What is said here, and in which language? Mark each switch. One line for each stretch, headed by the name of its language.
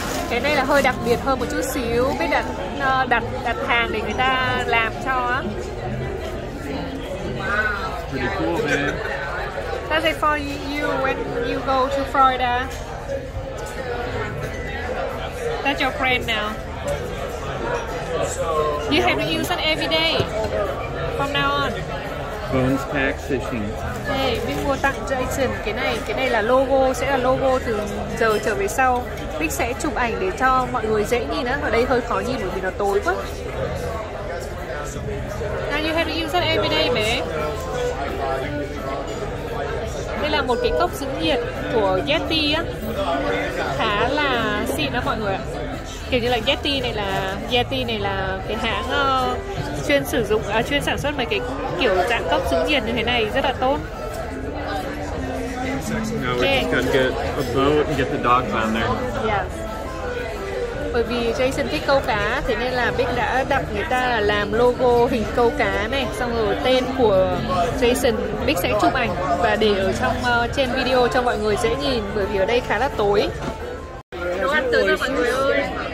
Vietnamese: Cái này là hơi đặc biệt hơn một chút xíu, biết là đặt hàng để người ta làm cho á.
English: Pretty cool, babe. That's it for you when you go to Florida. That's your friend now. You have to use it every day from now on. Bones pack fishing.
Vietnamese: Hey, Big mua tặng Jason cái này là logo, sẽ là logo từ giờ trở về sau. Big sẽ chụp ảnh để cho mọi người dễ nhìn á. Ở đây hơi khó nhìn bởi vì nó tối quá.
English: Now you have to use it every day, babe.
Vietnamese: Đây là một cái cốc giữ nhiệt của Yeti á, khá là xịn đó mọi người ạ. Kiểu như là Yeti này là cái hãng chuyên sản xuất mấy cái kiểu dạng cốc giữ nhiệt như thế này, rất là tốt.
English: Now we're just gonna get a boat and get the dogs on there. Yes.
Vietnamese: Bởi vì Jason thích câu cá, thế nên là Big đã đặt người ta là làm logo hình câu cá này, xong rồi tên của Jason, Big sẽ chụp ảnh và để ở trong trên video cho mọi người dễ nhìn, bởi vì ở đây khá là tối. Đồ ăn tới rồi mọi người ơi.